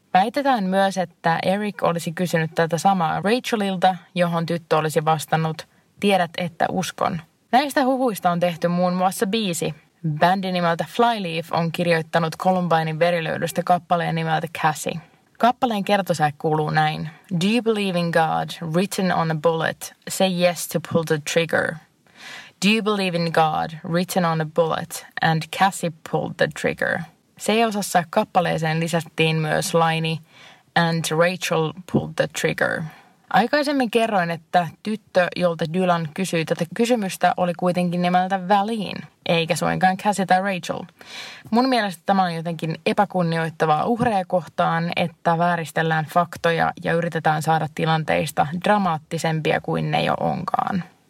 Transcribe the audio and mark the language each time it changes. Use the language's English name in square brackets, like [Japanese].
[Finnish] Väitetään myös, että Eric olisi kysynyt tätä samaa Rachelilta, johon tyttö olisi vastannut, tiedät, että uskon. Näistä huhuista on tehty muun muassa biisi. Bändi nimeltä Flyleaf on kirjoittanut Columbinen verilöydöstä kappaleen nimeltä Cassie. Kappaleen kertosäe kuuluu näin. [English] Do you believe in God, written on a bullet, say yes to pull the trigger. Do you believe in God, written on a bullet, and Cassie pulled the trigger. [Finnish] C-osassa kappaleeseen lisättiin myös laini, [English] and Rachel pulled the trigger. [Finnish] Aikaisemmin kerroin, että tyttö, jolta Dylan kysyi tätä kysymystä, oli kuitenkin nimeltä Valine, eikä suinkaan Cassie tai Rachel. Mun mielestä tämä on jotenkin epäkunnioittavaa uhreja kohtaan, että vääristellään faktoja ja yritetään saada tilanteista dramaattisempia kuin ne jo onkaan.